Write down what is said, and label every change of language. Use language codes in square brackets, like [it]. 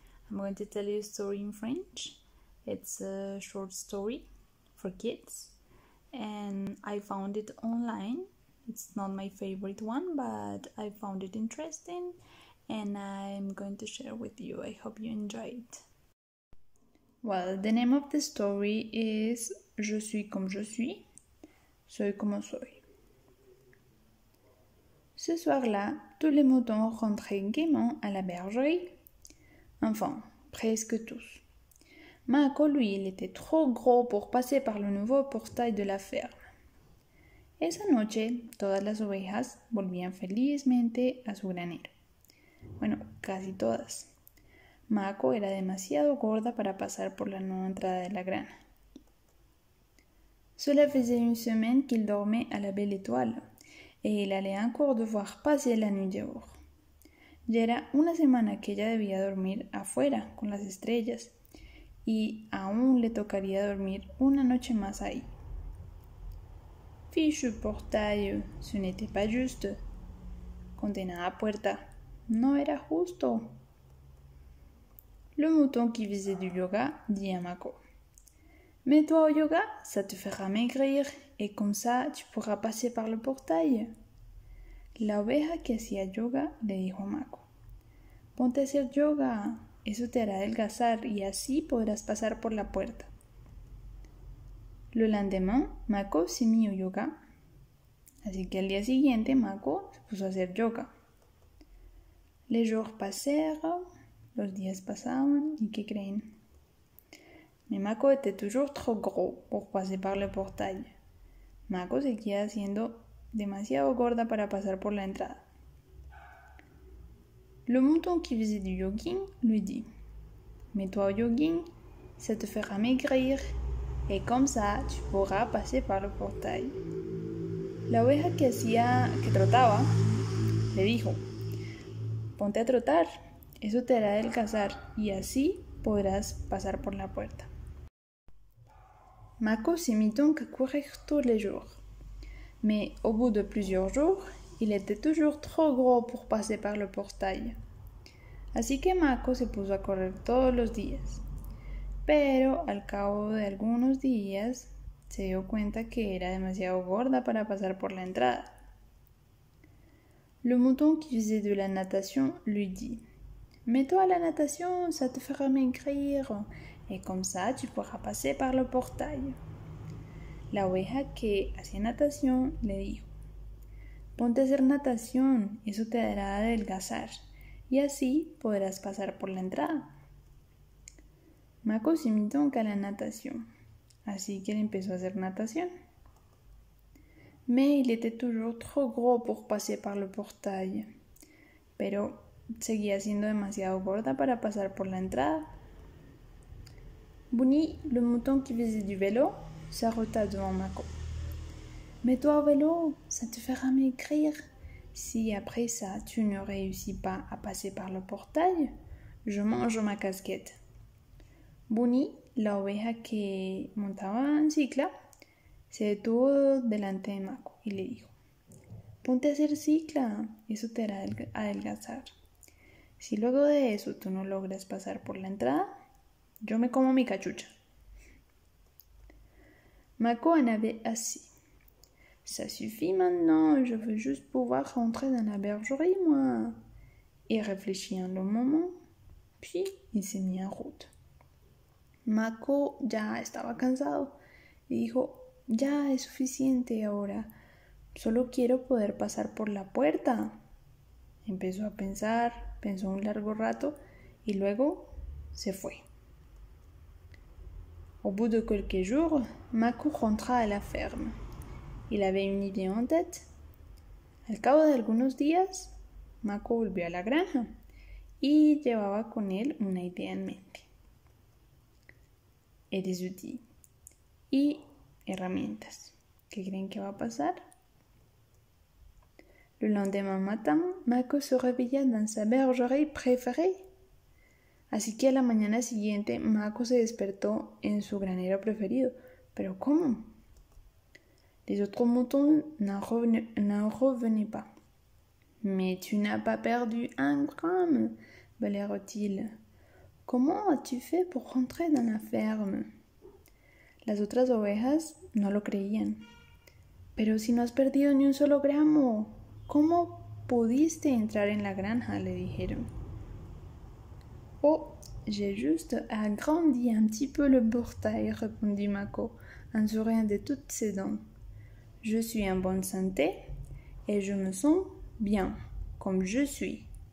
[en] I'm going to tell you a story in French. It's a short story for kids. And I found it online. It's not my favorite one, but I found it interesting. And I'm going to share with you. I hope you enjoy it. Well, the name of the story is [fr] Je suis comme je suis. [es] Soy como soy. [fr] Ce soir-là, tous les moutons rentraient gaiement à la bergerie. Enfin, presque tous. Mako, lui, il était trop gros pour passer par le nouveau portail de la ferme. [es] Esa noche, todas las ovejas volvían felizmente a su granero. Bueno, casi todas. Mako era demasiado gorda para pasar por la nueva entrada de la grana. [fr] Cela faisait une semaine qu'il dormait à la belle étoile. Et il allait encore devoir passer la nuit dehors. [es] Ya era una semana que ella debía dormir afuera con las estrellas y aún le tocaría dormir una noche más ahí. [fr] Fichu portail, ce n'était pas juste. [es] Condenada puerta, no era justo. [fr] Le mouton qui faisait du yoga dit à Mako: mets-toi au yoga, ça te fera maigrir et comme ça tu pourras passer par le portail. [es] La oveja que hacía yoga le dijo a Mako: ponte a hacer yoga, eso te hará adelgazar y así podrás pasar por la puerta. [fr] Le lendemain, Mako se mit au yoga. [es] Así que al día siguiente, Mako se puso a hacer yoga. [fr] Les jours passèrent, [es] los días pasaban, ¿y qué creen? [fr] Mais Mako était toujours trop gros pour passer par le portail. [es] Mako seguía haciendo demasiado gorda para pasar por la entrada. [fr] Le mouton qui faisait du jogging lui dit: mets-toi au jogging, ça te fera maigrir, et comme ça tu pourras passer par le portail. [es] La oveja que trotaba le dijo: ponte a trotar, eso te hará adelgazar y así podrás pasar por la puerta. [fr] Mako se mit donc à courir tous les jours. Mais au bout de plusieurs jours, il était toujours trop gros pour passer par le portail. [es] Así que Mako se puso a correr todos los días. Pero al cabo de algunos días, se dio cuenta que era demasiado gorda para pasar por la entrada. [fr] Le mouton qui faisait de la natation lui dit: mets-toi à la natation, ça te fera maigrir, et comme ça tu pourras passer par le portail. [es] La oveja que hacía natación le dijo: ponte a hacer natación, eso te hará adelgazar, y así podrás pasar por la entrada. Mako [fr] se mit donc [es] a la natación, así que él empezó a hacer natación. [fr] Mais il était toujours trop gros pour passer par le portail. [es] Pero seguía siendo demasiado gorda para pasar por la entrada. [fr] Bunny, le mouton qui faisait du vélo, s'arrêta devant Mako. Mets-toi au vélo, ça te fera maigrir. Si après ça, tu ne réussis pas à passer par le portail, je mange ma casquette. [es] Bunny, la oveja que montaba en cicla, se detuvo delante de Mako y le dijo: ponte a hacer cicla, eso te hará adelgazar. Si luego de eso tú no logras pasar por la entrada, yo me como mi cachucha. [fr] Mako en avait assez. Ça suffit maintenant, je veux juste pouvoir rentrer dans la bergerie, moi. Il réfléchit un long moment, puis il s'est mis en route. [es] Mako ya estaba cansado. Il dijo: ya es suficiente ahora. Solo quiero poder pasar por la puerta. Empezó a pensar, pensó un largo rato y luego se fue. [fr] Au bout de quelques jours, Mako rentra à la ferme. Il avait une idée en tête. [es] Al cabo de algunos días, Mako volvió a la granja y llevaba con él una idea en mente. [fr] Et des outils. [es] Y herramientas. ¿Qué creen que va a pasar? [fr] Le lendemain matin, Mako se réveilla dans sa bergerie préférée. [es] Así que a la mañana siguiente, Mako se despertó en su granero preferido. ¿Pero cómo? [fr] Les autres moutons n'en revenaient pas. Mais tu n'as pas perdu un gramme. balayèrent-ils. Comment as-tu fait pour rentrer dans la ferme? [es] Las otras ovejas no lo creían. Pero si no has perdido ni un solo gramo, ¿cómo pudiste entrar en la granja? Le dijeron. [fr] Oh, j'ai juste agrandi un petit peu le portail, répondit Mako, en souriant de toutes ses dents. Je suis en bonne santé et je me sens bien, comme je suis.